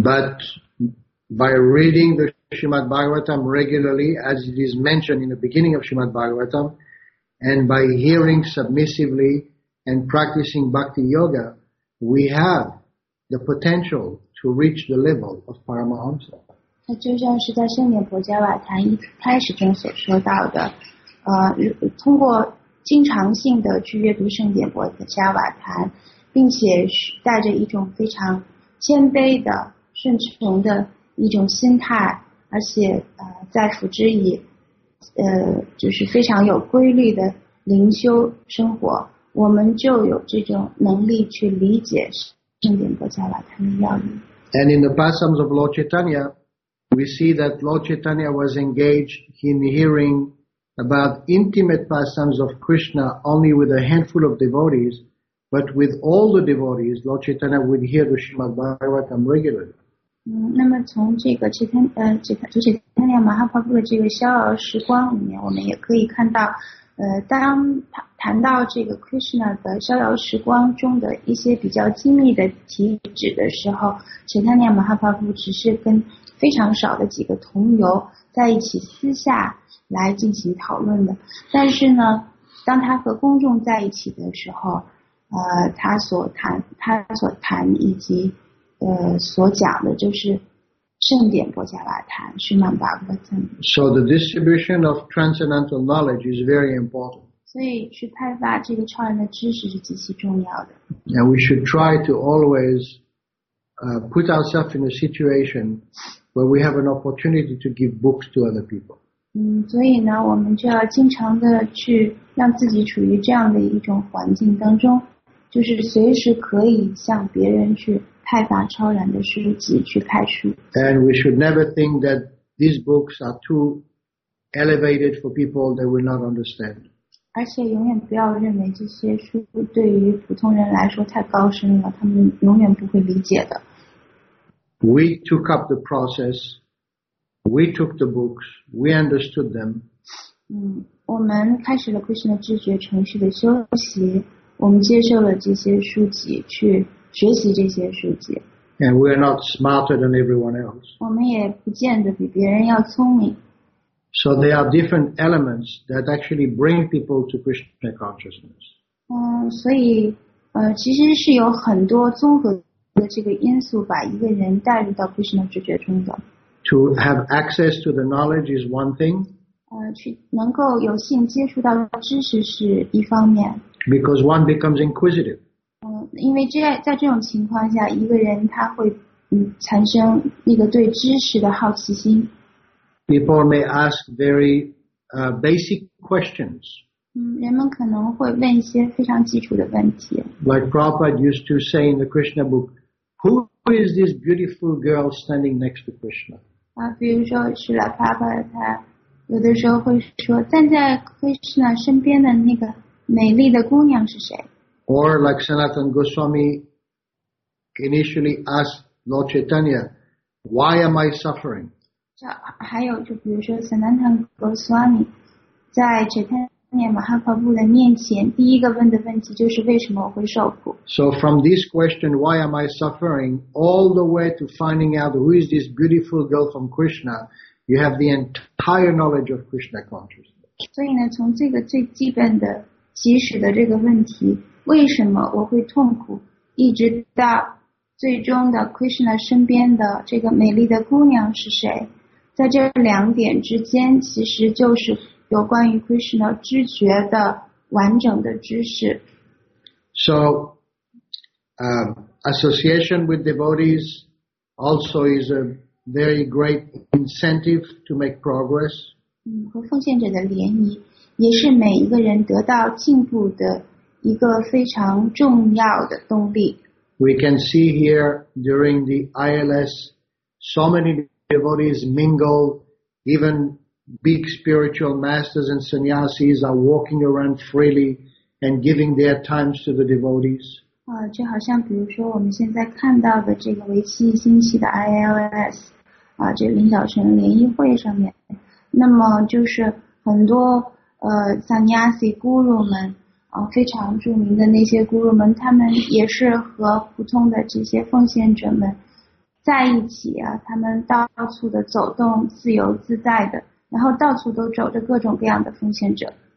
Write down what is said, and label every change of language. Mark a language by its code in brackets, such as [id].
[en] But by reading the Srimad Bhagavatam regularly, as it is mentioned in the beginning of Srimad Bhagavatam, and by hearing submissively and practicing Bhakti Yoga, we have the potential to reach the level of Paramahansa. [zh] 它就像是在圣严波伽瓦塔一开始中所说到的，通过经常性的去阅读圣典博的加瓦坛，并且带着一种非常谦卑的顺从的一种心态，而且在辅之以就是非常有规律的灵修生活，我们就有这种能力去理解圣典博加瓦坛的要义。 [en] And in the bhasams of Lord Chaitanya, we see that Lord Chaitanya was engaged in hearingabout intimate pastimes of Krishna only with a handful of devotees, but with all the devotees, Lord Chaitanya would hear the Srimad Bhagavatam regularly. [zh] 那么从这个Chaitanya Mahaprabhu的这个逍遥时光里面，我们也可以看到，当谈到这个 Krishna 的逍遥时光中的一些比较机密的体旨的时候， Chaitanya Mahaprabhu 只是跟非常少的几个同游在一起私下来进行讨论的，但是呢，当他和公众在一起的时候，他所谈以及所讲的就是圣典波伽瓦坛，是曼巴格坦。 [en] So the distribution of transcendental knowledge is very important. [zh] 所以去派发这个超人的知识是极其重要的。 [en] And we should try to always put ourselves in a situation where we have an opportunity to give books to other people. [zh] 所以呢，我们就要经常的去让自己处于这样的一种环境当中，就是随时可以向别人去派发超然的书籍，去派书。 [en] And we should never think that these books are too elevated for people that will not understand. [zh] 而且永远不要认为这些书对于普通人来说太高深了，他们永远不会理解的。 [en] We took up the process. We took the books. We understood them. [zh] 我们开始了 Krishna 知觉程序的修习，我们接受了这些书籍去学习这些书籍。 [en] And we are not smarter than everyone else. [zh] 我们也不见得比别人要聪明。 [en] So there are different elements that actually bring people to Krishna consciousness. [zh] 所以其实是有很多综合的这个因素把一个人带入到 Krishna 知觉中的。 [en] To have access to the knowledge is one thing. [zh] 去能够有幸接触到知识是一方面。 [en] Because one becomes inquisitive. [zh] 因为在这种情况下，一个人他会产生一个对知识的好奇心。 [en] People may ask very basic questions. [zh] 人们可能会问一些非常基础的问题。 [en] Like Prabhupada used to say in the Krishna book, who is this beautiful girl standing next to Krishna? [zh] 比如说是了 Prabhupada 他有的时候会说站在 Krishna 身边的那个美丽的姑娘是谁。 [en] Or like Sanatan Goswami initially asked Lord Chaitanya, why am I suffering? [zh] 还有就比如说 Sanatan Goswami 在 Chaitanya Mahaprabhu 的面前第一个问的问题就是为什么我会受苦。 [en] So from this question, why am I suffering, all the way to finding out who is this beautiful girl from Krishna, you have the entire knowledge of Krishna consciousness. [zh] 所以呢，从这个最基本的起始的这个问题，为什么我会痛苦，一直到最终的 Krishna 身边的这个美丽的姑娘是谁，在这两点之间其实就是有关于 Krishna 知觉的完整的知识。 [en] So association with devotees also is a very great incentive to make progress. [zh] 和奉献者的联谊也是每一个人得到进步的一个非常重要的动力。 [en] We can see here during the ILS, so many devotees mingle, even big spiritual masters and sannyasis are walking around freely and giving their times to the devotees. [zh] 就好像比如说我们现在看到的这个为期一星期的 ILS, 这个领导层联谊会上面。那么就是很多sannyasi guru 们非常著名的那些 guru 们，他们也是和普通的这些奉献者们在一起啊，他们到处的走动，自由自在的，然后到处都走着各种各样的奉献者。